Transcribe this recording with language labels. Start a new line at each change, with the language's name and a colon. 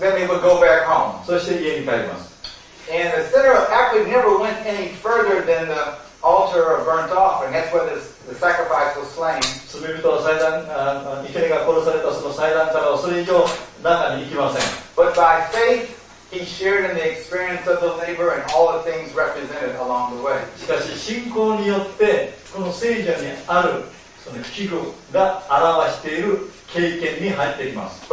English: Then he would go back home.
Japanese: そして家に帰ります。
English: And the sinner actually never went any further than theAltar of burnt offering. That's where the sacrifice was slain.
Japanese: 罪人は祭壇、生贄が殺されたその祭壇からはそれ以上中に行きません。
English: But by faith, he shared in the experience of the labor and all the things represented along the way.
Japanese: しかし信仰によってこの聖者にあるその器具が表している経験に入っていきます。